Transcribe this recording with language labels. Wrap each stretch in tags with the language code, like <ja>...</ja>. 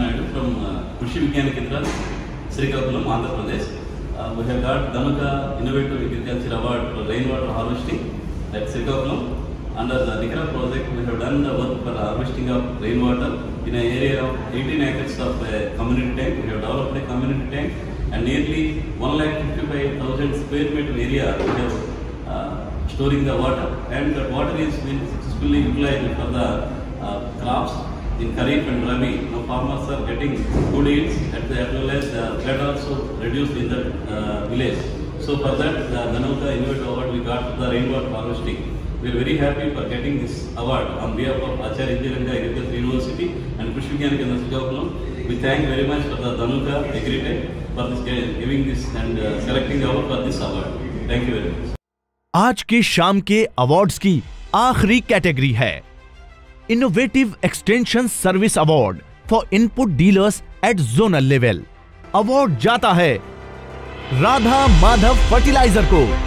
<en>Srikakulam Andhra Pradesh, we have got Dhanuka innovative agriculture award for rain water harvesting at Srikakulam. under the Nikra project, we have done the work for harvesting of rainwater in an area of 18 acres of a community tank. We have developed a community tank and nearly 155,000 square meter area we have storing the water. And the water is been successfully utilized for the crops in Kharif and Rabi. Now farmers are getting good yields at the, as well as the flood also reduced in the village. So for that, the Dhanuka Innovative Award we got for the rainwater harvesting. We are very happy for getting this award on behalf of Acharya Indiranga Agriculture University and Krishi Vigyan Kendra Srikakulam. We thank very much for the Dhanuka Agritech for this, giving this and selecting our for this award. Thank you very much.</en> <hi>आज के शाम के awards की आखिरी category है innovative extension service award for input dealers eight zonal level. Award जाता है Radha Madhav fertiliser को।</hi>